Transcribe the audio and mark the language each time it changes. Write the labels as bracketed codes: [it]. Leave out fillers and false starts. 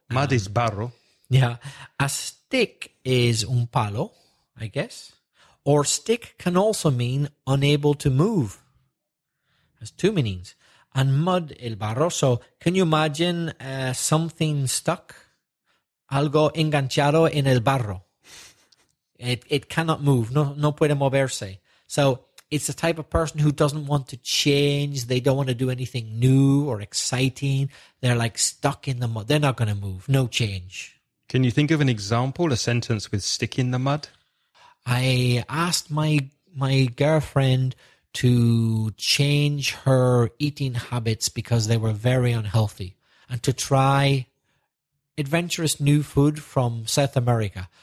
[en] mud is barro. Yeah, a stick is [es] un palo, [en] I guess. Or stick can also mean unable to move. Has two meanings. And mud, [es] el barro. [en] So can you imagine something stuck? [es] Algo enganchado en el barro. [en] It cannot move. [es] No puede moverse. [en] So it's the type of person who doesn't want to change. They don't want to do anything new or exciting. They're like stuck in the mud. They're not going to move. No change. Can you think of an example, a sentence with stick in the mud? I asked my girlfriend to change her eating habits because they were very unhealthy and to try adventurous new food from South America.